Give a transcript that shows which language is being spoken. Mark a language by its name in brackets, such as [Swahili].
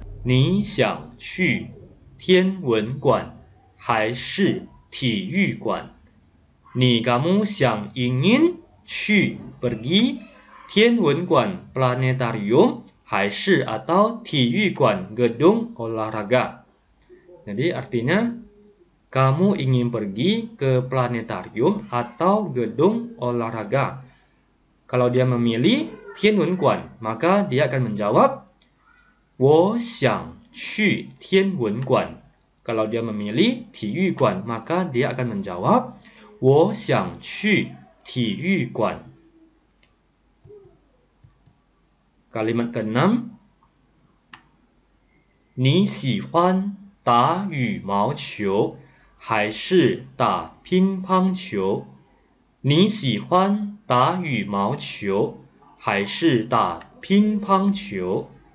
[Chinese] 你想去天文馆还是体育馆？你敢不想应应去 [Indonesian] pergi [Chinese] 天文馆 planetarium 还是 [Indonesian] atau [Chinese] 体育馆 [Indonesian] gedung olahraga？ Jadi artinya kamu ingin pergi ke planetarium atau gedung olahraga？ Kalau dia memilih 天文馆 maka dia akan menjawab [Chinese] 我想去天文馆。 [Indonesian] Kalau dia memilih 体育馆 maka dia akan menjawab [Chinese] 我想去体育馆。 [Indonesian] Kalimat keenam， [Chinese] 你喜欢打羽毛球还是打乒乓球？你喜欢打羽毛球还是打乒乓球？